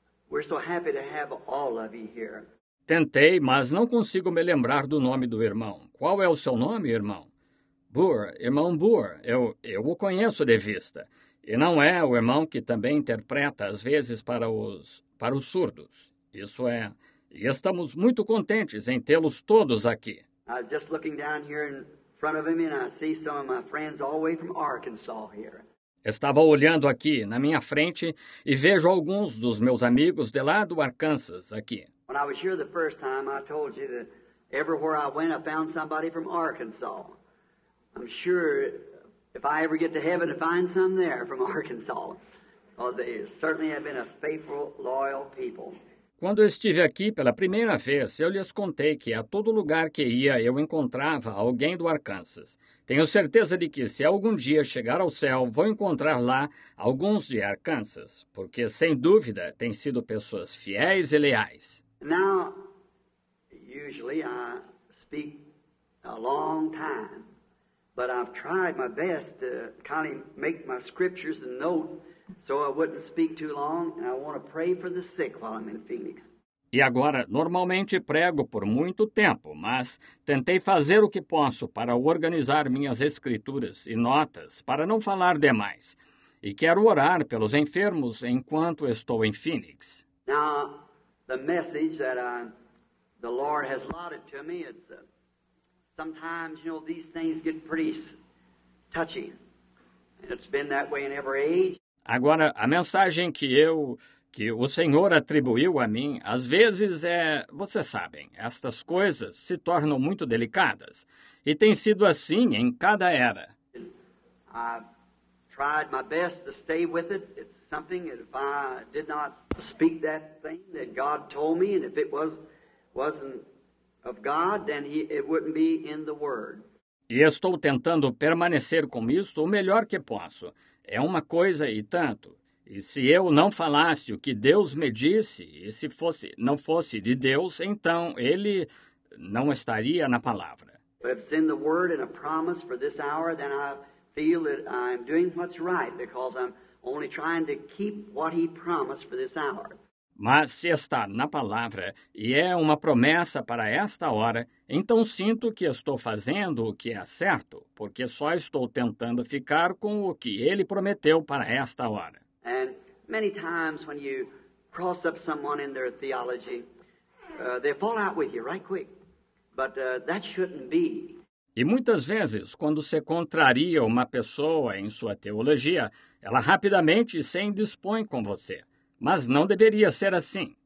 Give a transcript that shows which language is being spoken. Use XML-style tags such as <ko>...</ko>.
<en>We're so happy to have all of you here.</en> <pt>Tentei, mas não consigo me lembrar do nome do irmão. Qual é o seu nome, irmão? Boor, irmão Boor, eu o conheço de vista. E não é o irmão que também interpreta às vezes para os surdos. Isso é. E estamos muito contentes em tê-los todos aqui.</pt> <en>I was just looking down here in front of him and I see some of my friends all the way from Arkansas here.</en> <pt>Estava olhando aqui na minha frente e vejo alguns dos meus amigos de lá do Arkansas aqui.</pt> <en>When I was here the first time, I told you that everywhere I went, I found somebody from Arkansas. I'm sure if I ever get to heaven to find some there from Arkansas. Oh, they certainly have been a faithful, loyal people.</en> <pt>Quando eu estive aqui pela primeira vez, eu lhes contei que a todo lugar que ia, eu encontrava alguém do Arkansas. Tenho certeza de que se algum dia chegar ao céu, vou encontrar lá alguns de Arkansas, porque, sem dúvida, têm sido pessoas fiéis e leais.</pt> <en>Now, usually I speak a long time, but I've tried my best to kind of make my scriptures and note. So I wouldn't speak too long, and I want to pray for the sick while I'm in Phoenix.</en> <pt>E agora, normalmente prego por muito tempo, mas tentei fazer o que posso para organizar minhas escrituras e notas para não falar demais. E quero orar pelos enfermos enquanto estou em Phoenix.</pt> <en>Now, the message that the Lord has allotted to me, it's sometimes, you know, these things get pretty touchy. And it's been that way in every age.</en> <pt>Agora, a mensagem que o Senhor atribuiu a mim, às vezes é, vocês sabem, estas coisas se tornam muito delicadas. E tem sido assim em cada era.</pt> <en>I've tried my best to stay with it. It's something that if I did not speak that thing that God told me, and if it wasn't of God, then it wouldn't be in the Word.</en> <pt>E estou tentando permanecer com isso o melhor que posso. É uma coisa e tanto. E se eu não falasse o que Deus me disse, e se fosse, não fosse de Deus, então ele não estaria na palavra.</pt> <en>But if it's in the Word and a promise for this hour, then I feel that I'm doing what's right, because I'm only trying to keep what he promised for this hour.</en> <pt>Mas se está na palavra e é uma promessa para esta hora, então sinto que estou fazendo o que é certo, porque só estou tentando ficar com o que ele prometeu para esta hora.</pt> <en>And many times when you cross up someone in their theology, they fall out with you right quick. But that shouldn't be.</en> <pt>E muitas vezes, quando se contraria uma pessoa em sua teologia, ela rapidamente se indispõe com você. Mas não deveria ser assim.</pt>